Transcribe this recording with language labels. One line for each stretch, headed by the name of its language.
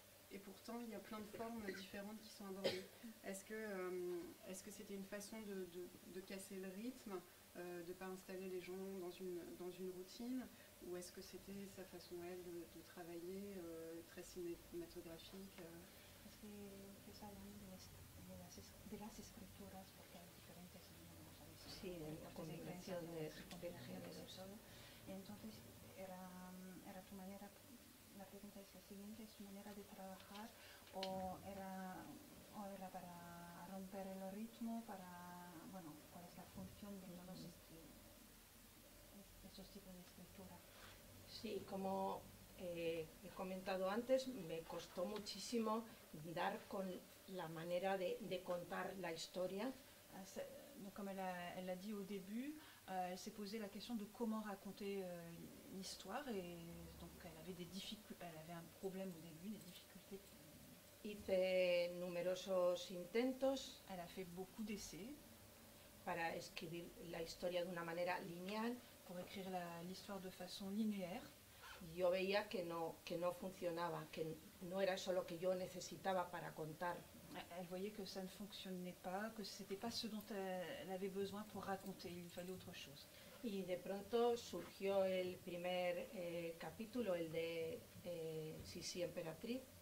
French: Et pourtant, il y a plein de formes différentes qui sont abordées. Est-ce que c'était une façon de casser le rythme, de ne pas installer les gens dans une routine, ou est-ce que c'était sa façon, elle, de travailler très cinématographique
Spanish: de las escrituras, porque hay diferentes idiomas, de entonces era tu manera, la pregunta es la siguiente, ¿es tu manera de trabajar o era para romper el ritmo, para, bueno, cuál es la función de todos estos tipos de escritura? Sí, como he comentado antes, me costó muchísimo dar con la manera de contar la historia.
French: Donc comme elle a dit au début, elle s'est posé la question de comment raconter l'histoire et donc elle avait un problème au début, des difficultés.
Spanish: Hice numerosos intentos.
French: Elle a fait beaucoup d'essais.
Spanish: Para escribir la historia de una manera lineal.
French: Pour écrire l'histoire de façon linéaire.
Spanish: Yo veía que no funcionaba, que no era eso lo que yo necesitaba para contar.
French: Elle voyait que ça ne fonctionnait pas, que ce n'était pas ce dont elle avait besoin pour raconter, il fallait autre chose.
Spanish: Et de pronto surgió el primer capítulo, el de Sissi Emperatriz.